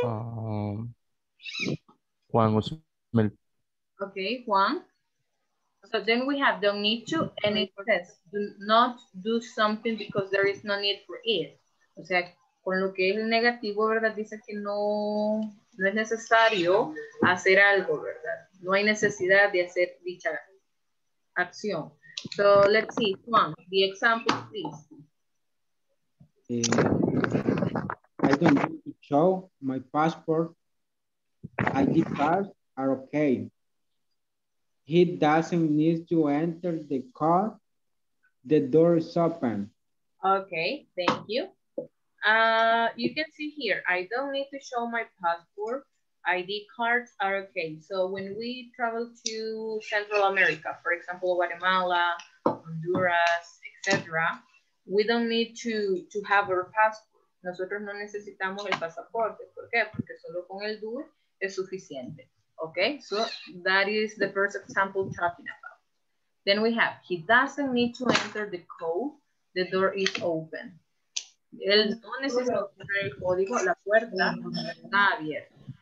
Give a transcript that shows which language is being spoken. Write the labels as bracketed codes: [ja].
[en] Juan was milk. Okay, Juan. So then we have don't need to, and it says do not do something because there is no need for it. [es] O sea, con lo que es el negativo, ¿verdad? Dice que no es necesario hacer algo, ¿verdad? No hay necesidad de hacer dicha acción. [en] So let's see, Juan, the example, please. I don't need to show my passport. ID cards are okay. He doesn't need to enter the car. The door is open. Okay, thank you. You can see here, I don't need to show my passport. ID cards are okay. So when we travel to Central America, for example, Guatemala, Honduras, etc., we don't need to have our passport. [es] Nosotros no necesitamos el pasaporte. ¿Por qué? Porque solo con el DUI es suficiente. [en] Okay, so that is the first example talking about. Then we have, he doesn't need to enter the code, the door is open. [es] Él no necesita entrar el código, la puerta está abierta.